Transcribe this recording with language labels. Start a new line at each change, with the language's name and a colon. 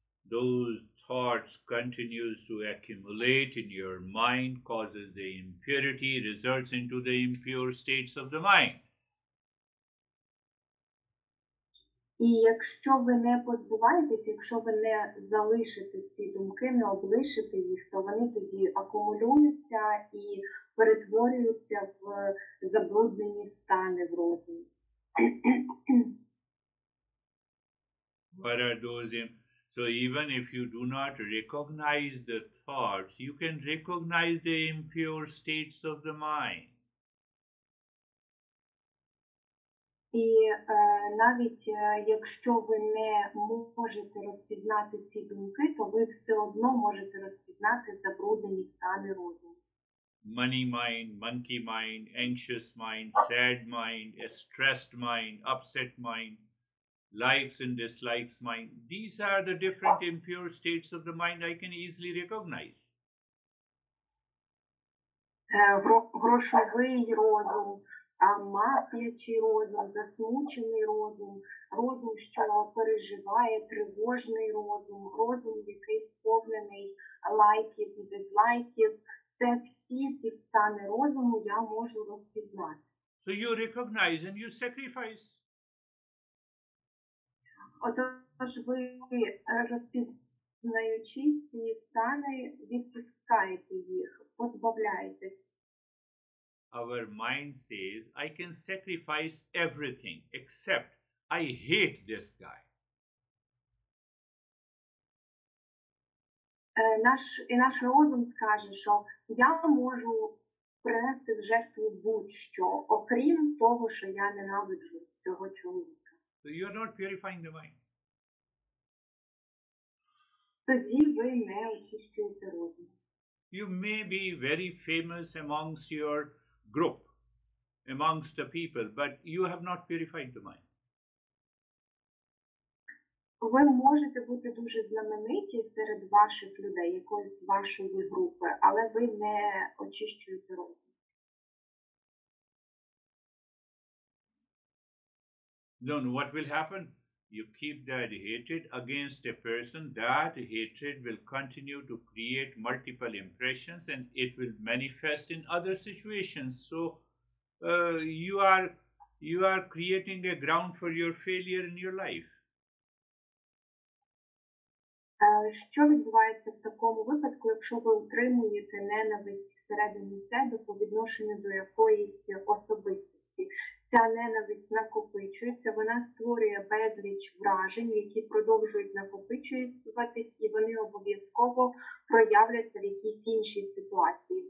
English: Those thoughts continues to accumulate in your mind, causes the impurity, results into the impure states of the mind.
Ukrainian: І якщо ви не позбуваєтесь, якщо ви не залишите ці думки, не облишите їх, то вони тоді акумулюються і перетворюються в забруднені стани в розумі.
English: What are those? So even if you do not recognize the thoughts, you can recognize the impure states of the mind.
Ukrainian: І навіть якщо ви не можете розпізнати ці думки, то ви все одно можете розпізнати забруднені стани розуму.
English: Money mind, monkey mind, anxious mind, sad mind, stressed mind, upset mind, likes and dislikes mind. These are the different impure states of the mind I can easily recognize.
Ukrainian: Грошовий розум, мерзлячий розум, засмучений розум, розум, що переживає, тривожний розум, розум, який сповнений лайків і дизлайків. Це всі ці стани розуму я можу розпізнати.
English: So you recognize and you sacrifice.
Ukrainian: Отож, ви розпізнаючи ці стани, відпускаєте їх, позбавляєтесь.
English: Our mind says, I can sacrifice everything, except I hate this guy.
Ukrainian: Наш розум скаже, що я можу принести в жертву будь-що, окрім того, що я ненавиджу цього чоловіка.
English: So you're not purifying the mind.
Ukrainian: Тоді ви не очищуєте розум.
English: You may be very famous amongst your group, amongst the people, but you have not purified the mind.
Ukrainian: Ви можете бути дуже знамениті серед ваших людей, якоїсь вашої групи, але ви не очищуєте розум.
English: Then what will happen? You keep that hatred against a person, that hatred will continue to create multiple impressions and it will manifest in other situations. So you are creating a ground for your failure in your life.
Ukrainian: Що відбувається в такому випадку, якщо ви утримуєте ненависть всередині себе по відношенню до якоїсь особистості? Ця ненависть накопичується, вона створює безліч вражень, які продовжують накопичуватись, і вони обов'язково проявляться в якійсь іншій ситуації.